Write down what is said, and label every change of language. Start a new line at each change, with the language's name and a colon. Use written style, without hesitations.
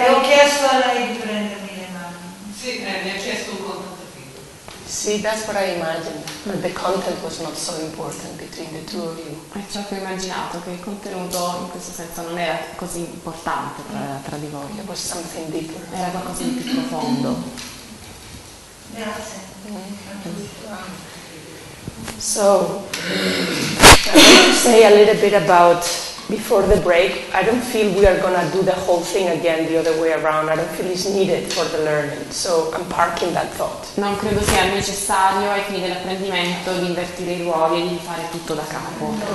Italian: e ho chiesto a lei di prendermi le mani. Sì, mi ha chiesto un contatto.
English: Sì, that's what I imagined. But the content was not so important between the two of you.
Italian: È ciò che ho immaginato, che il contenuto in questo senso non era così importante tra di voi.
English: It was something deeper.
Italian: Era qualcosa di più profondo. Grazie.
English: So, I want to say a little bit about before the break. I don't feel we are going to do the whole thing again the other way around. I don't feel it's needed for the learning. So I'm parking that thought.
Italian: Non credo sia necessario ai fini dell'apprendimento di invertire i ruoli e di fare tutto da capo.